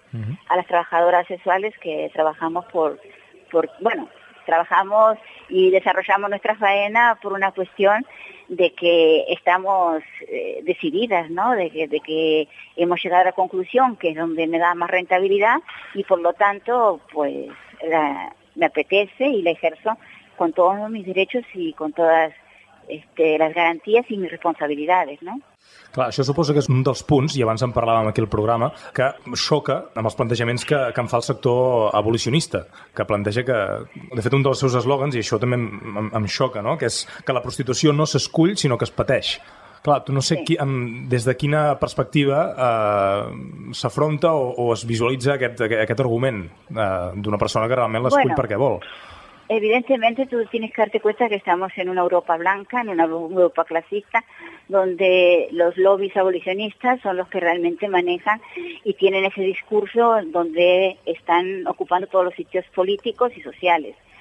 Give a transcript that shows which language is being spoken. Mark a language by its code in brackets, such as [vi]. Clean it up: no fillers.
[es] Uh-huh. A las trabajadoras sexuales que trabajamos trabajamos y desarrollamos nuestra faena por una cuestión de que estamos decididas, ¿no? De que hemos llegado a la conclusión que es donde me da más rentabilidad y por lo tanto, pues, me apetece y la ejerzo con todos mis derechos y con todas las garanties y mis responsabilidades, ¿no? [ca] Clar, això suposo que és un dels punts, i abans en parlàvem aquí al programa, que xoca amb els plantejaments que en fa el sector abolicionista, que planteja que, de fet, un dels seus eslògans, i això també em xoca, no?, que és que la prostitució no s'escull, sinó que es pateix. Clar, tu no sé des de quina perspectiva s'afronta o es visualitza aquest argument d'una persona que realment l'escull perquè vol. [es] Evidentemente tú tienes que darte cuenta que estamos en una Europa blanca, en una Europa clasista, donde los lobbies abolicionistas son los que realmente manejan y tienen ese discurso donde están ocupando todos los sitios políticos y sociales.